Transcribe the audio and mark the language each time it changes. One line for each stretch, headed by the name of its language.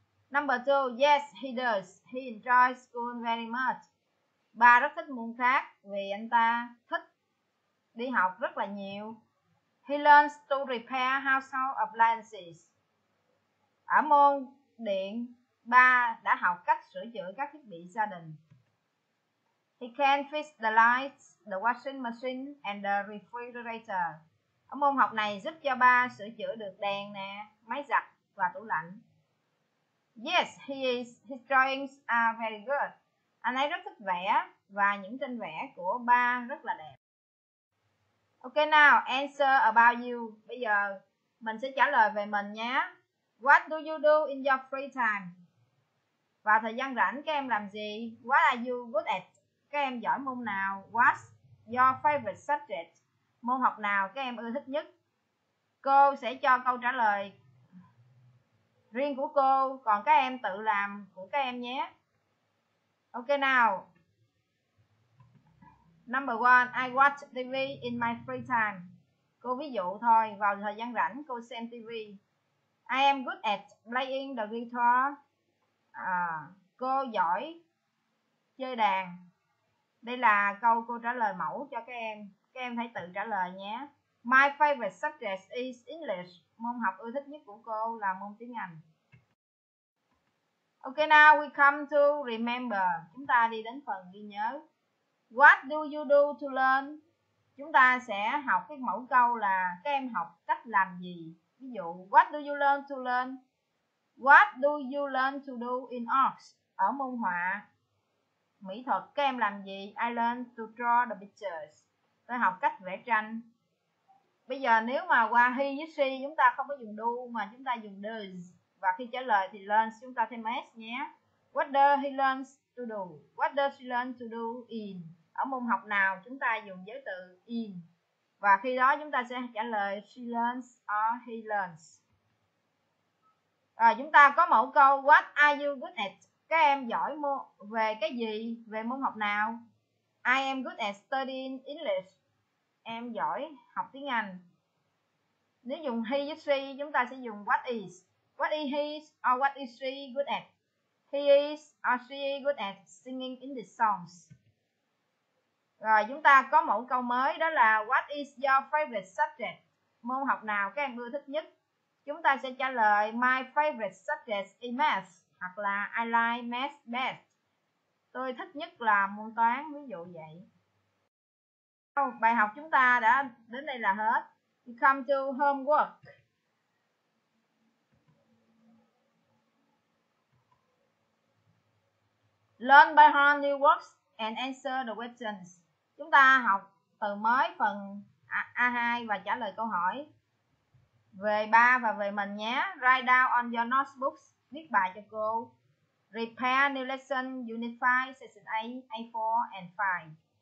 English: Number two, yes, he does. He enjoys school very much.
Vietnamese: Ba rất thích môn khác vì anh ta thích đi học rất là nhiều.
English: He learns to repair household appliances.
Vietnamese: Ở môn điện, ba đã học cách sửa chữa các thiết bị gia đình.
English: He can fix the lights, the washing machine, and the refrigerator.
Vietnamese: Ở môn học này giúp cho ba sửa chữa được đèn, nè, máy giặt và tủ lạnh.
English: Yes, his drawings are very good.
Vietnamese: Anh ấy rất thích vẽ và những tranh vẽ của ba rất là đẹp.
English: Okay now, answer about you.
Vietnamese: Bây giờ mình sẽ trả lời về mình nhé.
English: What do you do in your free time?
Vietnamese: Vào thời gian rảnh các em làm gì?
English: What are you good at?
Vietnamese: Các em giỏi môn nào?
English: What's your favorite subject?
Vietnamese: Môn học nào các em ưa thích nhất? Cô sẽ cho câu trả lời riêng của cô, còn các em tự làm của các em nhé.
English: Okay now.
Vietnamese: Number one,
English: I watch TV in my free time.
Vietnamese: Cô ví dụ thôi, vào thời gian rảnh cô xem TV.
English: I am good at playing the guitar.
Vietnamese: Cô giỏi chơi đàn. Đây là câu cô trả lời mẫu cho các em. Các em hãy tự trả lời nhé.
English: My favorite subject is English.
Vietnamese: Môn học ưa thích nhất của cô là môn tiếng Anh.
English: Okay, now we come to remember.
Vietnamese: Chúng ta đi đến phần ghi nhớ.
English: What do you do to learn?
Vietnamese: Chúng ta sẽ học cái mẫu câu là các em học cách làm gì. Ví dụ,
English: what do you learn to learn? What do you learn to do in arts?
Vietnamese: Ở môn họa, mỹ thuật, các em làm gì?
English: I learn to draw the pictures.
Vietnamese: Tôi học cách vẽ tranh. Bây giờ nếu mà qua he với she, chúng ta không có dùng do mà chúng ta dùng does. Và khi trả lời thì learn chúng ta thêm s nhé.
English: What does he learn to do? What does she learn to do in?
Vietnamese: Ở môn học nào chúng ta dùng giới từ in. Và khi đó chúng ta sẽ trả lời she learns or he learns. Rồi chúng ta có mẫu câu
English: what are you good at?
Vietnamese: Các em giỏi về cái gì? Về môn học nào?
English: I am good at studying English.
Vietnamese: Em giỏi học tiếng Anh. Nếu dùng he với she, chúng ta sẽ dùng what is.
English: What is he or what is she good at? He is or she is good at singing English songs.
Vietnamese: Rồi chúng ta có mẫu câu mới, đó là
English: what is your favorite subject?
Vietnamese: Môn học nào các em ưa thích nhất? Chúng ta sẽ trả lời
English: my favorite subject is math,
Vietnamese: hoặc là
English: I like math best.
Vietnamese: Tôi thích nhất là môn toán, ví dụ vậy. Bài học chúng ta đã đến đây là hết.
English: You come to homework. Learn by heart new words and answer the questions.
Vietnamese: Chúng ta học từ mới phần A2 và trả lời câu hỏi về ba và về mình nhé.
English: Write down on your notebooks.
Vietnamese: Viết bài cho cô.
English: Repair new lesson unit 5, section A, A4 and 5.